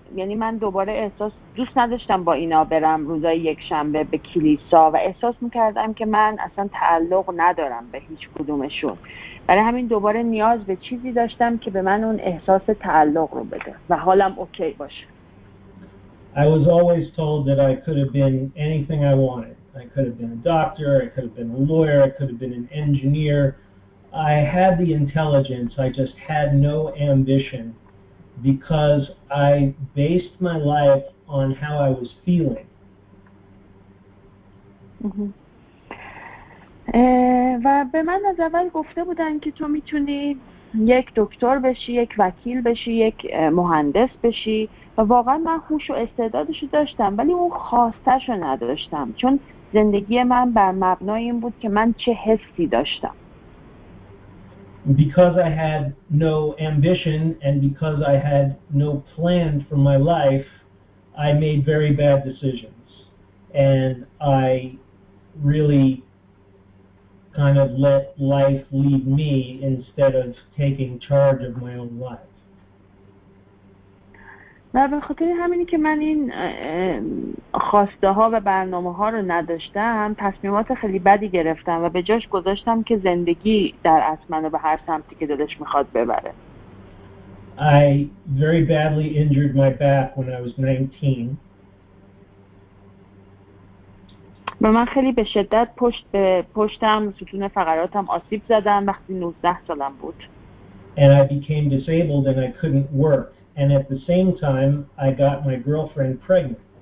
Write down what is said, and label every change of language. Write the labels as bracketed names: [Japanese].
[Persian] یعنی من دوباره احساس دوست نداشتم با اینا برم روزای یک شنبه به کلیسا و احساس میکردم که من اصلا تعلق ندارم به هیچ کدومشون. برای همین دوباره نیاز به چیزی داشتم که به من اون احساس تعلق رو بده و حالم اوکی باشه. [English] I was always told that I could have been anything I wanted. I could have been a doctor, I could have been a lawyer, I could have been an engineer. I had the intelligence, I just had no ambition because I based my life on how I was feeling. [Persian] و به من از اول گفته بودن که تو میتونی یک دکتر بشی، یک وکیل بشی، یک مهندس بشی و واقعا من هوش و استعدادشو داشتم ولی اون خواستشو نداشتم چون زندگی من بر مبنای این بود که من چه حسی داشتم. [English] Because I had no ambition and because I had no plan for my life, I made very bad decisions and I really kind of let life lead me instead of taking charge of my own life. [Persian] و به خاطر همینی که من این خواسته ها و برنامه ها رو نداشتم تصمیمات خیلی بدی گرفتم و به جاش گذاشتم که زندگی در اصل منو به هر سمتی که دلش میخواد ببره. [English] I very badly injured my back when I was 19. [Persian] و من خیلی به شدت پشتم ستون فقراتم آسیب زدم وقتی 19 سالم بود. [English] And I became disabled and I couldn't work. And at the same time, I got my girlfriend pregnant.